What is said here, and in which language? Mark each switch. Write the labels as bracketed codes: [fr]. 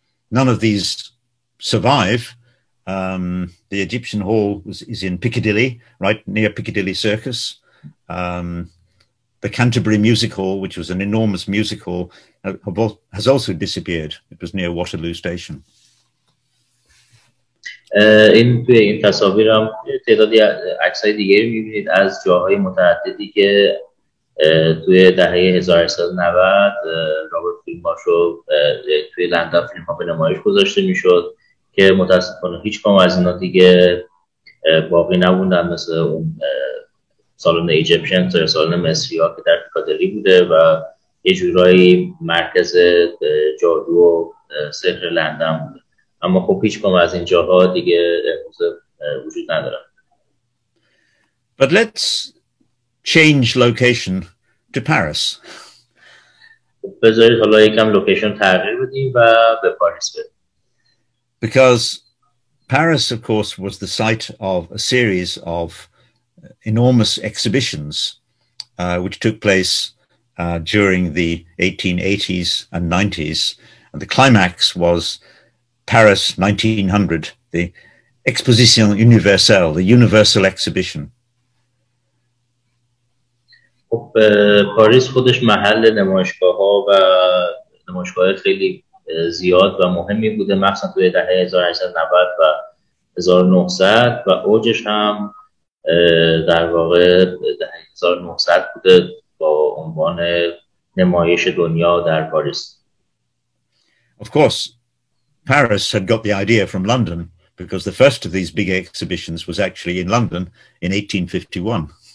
[en] None of these survive. The Egyptian Hall is in Piccadilly, right near Piccadilly Circus. The Canterbury Music Hall, which was an enormous music hall, has also disappeared. It was near Waterloo Station. [fa] این توی این تصاویر هم تعدادی عکس‌های دیگری می‌بینید از جاهای متعددی که توی دهه 1890 رابرت فیلم‌هاشو توی لندن فیلم‌ها به نمایش گذاشته می‌شد که متأسفانه هیچ کام از اینا دیگه باقی نموندن، مثل اون سالن ایجیپشن یا سالن مصری ها که در پیکادلی بوده و یه جورایی مرکز جادو و سحر لندن بوده. اما خب هیچ کم از این جاها دیگه وجود نداره. [en] But let's change location to Paris. [fa] بذارید حالا یکم لوکیشن تغییر بدیم و به پاریس بریم. [en] Because Paris, of course, was the site of a series of enormous exhibitions which took place during the 1880s and 90s. And the climax was Paris 1900, the Exposition Universelle, the Universal Exhibition. [fa] خب پاریس خودش محل نمایشگاه‌ها و نمایشگاه‌های خیلی زیاد و مهمی بوده، مخصوصا توی دهه 1890 و 1900 و اوجش هم در واقع دهه 1900 بوده با عنوان نمایش دنیا در پاریس. [en] Of course, Paris had got the idea from London because the first of these big exhibitions was actually in London in 1851.